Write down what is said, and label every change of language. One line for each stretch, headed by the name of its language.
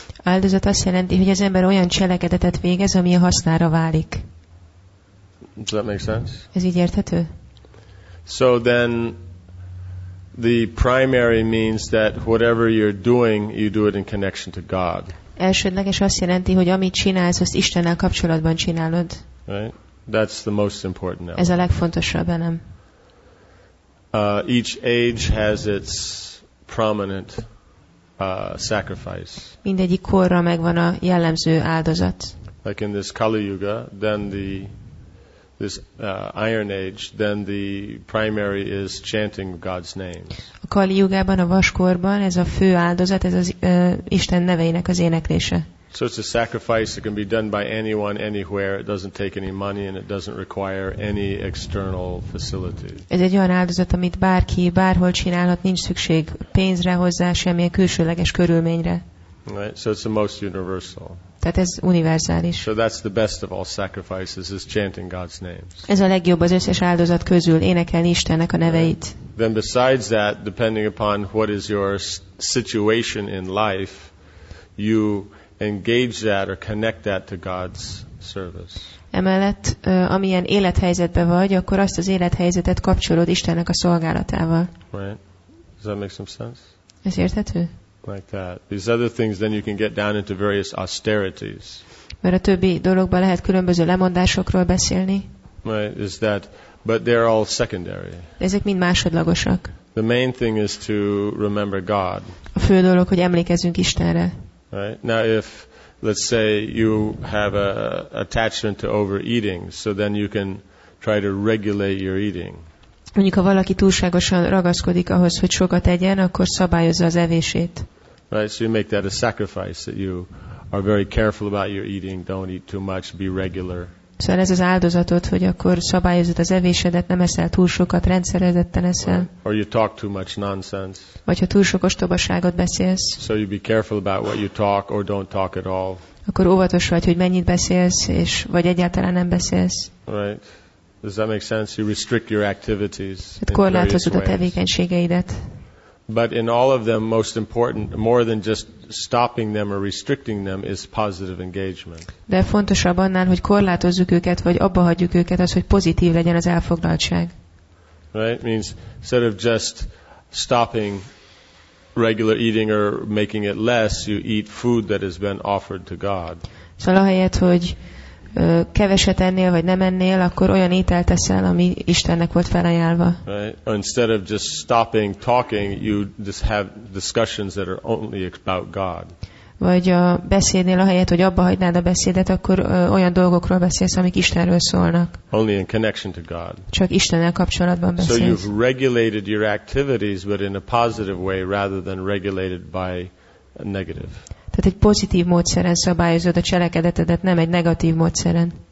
Hungarian: Áldozat azt jelenti, hogy az ember olyan cselekedetet végez, ami a hasznára válik.
English: Does that make sense?
Hungarian: Ez így érthető?
English: So then the primary means that whatever you're doing, you do it in connection to God.
Hungarian: Elsődleges azt jelenti, hogy amit csinálsz, azt Istennel kapcsolatban csinálod.
English: Right? That's the most important element.
Hungarian: Ez a legfontosabb elem.
English: Each age has its prominent sacrifice.
Hungarian: Mindegyik korra megvan a jellemző áldozat.
English: Like in this Kali Yuga, then this Iron Age, then the primary is chanting God's name.
Hungarian: A Kali Yugában, a vaskorban ez a fő áldozat, ez az Isten neveinek az éneklése.
English: So it's a sacrifice that can be done by anyone, anywhere. It doesn't take any money and it doesn't require any external facility.
Hungarian: Ez egy olyan áldozat, amit bárki, bárhol csinálhat, nincs szükség pénzre hozzá, semmilyen külsőleges körülményre.
English: Right, so it's the most universal.
Hungarian: Tehát ez univerzális.
English: So that's the best of all sacrifices, is chanting God's name.
Hungarian: Ez a legjobb az összes áldozat közül, énekelni Istennek a neveit.
English: Right. Then besides that, depending upon what is your situation in life, you engage that or connect that to God's service.
Hungarian: Emellett, amilyen élethelyzetben vagy, akkor azt az élethelyzetet kapcsolod Istennek a szolgálatával.
English: Right. Does that make some sense?
Hungarian: Ez érthető?
English: Like that. These other things, then you can get down into various austerities.
Hungarian: Mert a többi dologban lehet különböző lemondásokról beszélni.
English: Right. Is that? But they're all secondary.
Hungarian: Ezek mind másodlagosak.
English: The main thing is to remember God.
Hungarian: A fő dolog, hogy emlékezzünk Istenre.
English: Right. Now, if let's say you have a attachment to overeating, so then you can try to regulate your eating.
Hungarian: Mondjuk, ha valaki túlságosan ragaszkodik ahhoz, hogy sokat egyen, akkor szabályozza az evését.
English: Right, so you make that a sacrifice, that you are very careful about your eating, don't eat too much, be regular.
Hungarian: Szóval ez az áldozatot, hogy akkor szabályozod az evésedet, nem eszel túl sokat, rendszerezetten eszel.
English: Or you talk too much nonsense.
Hungarian: Vagy ha túl sok ostobaságot beszélsz.
English: So you be careful about what you talk or don't talk at all.
Hungarian: Akkor óvatos vagy, hogy mennyit beszélsz, és vagy egyáltalán nem beszélsz.
English: Right. Does that make sense? You restrict your activities.
Hungarian: Korlátozod a tevékenységeidet.
English: But in all of them, most important, more than just stopping them or restricting them, is positive engagement.
Hungarian: De fontosabb annál, hogy korlátozzuk őket, vagy abba hagyjuk őket, az, hogy pozitív legyen az elfoglaltság.
English: Right? Means instead of just stopping regular eating or making it less, you eat food that has been offered to God.
Hungarian: Szóval ahelyett, hogy keveset ennél, vagy nem ennél, akkor olyan ételt eszel, ami Istennek volt felajánlva.
English: Right. Instead of just stopping talking, you just have discussions that are only about God.
Hungarian: Vagy a beszédnél, ahelyett, hogy abba hagynád a beszédet, akkor olyan dolgokról beszélsz, amik Istenről szólnak.
English: Only in connection to God.
Hungarian: Csak Istennel kapcsolatban beszélsz.
English: So you've regulated your activities, but in a positive way, rather than regulated by a negative.
Hungarian: Tehát egy pozitív módszeren szabályozod a cselekedetedet, nem egy negatív módszeren.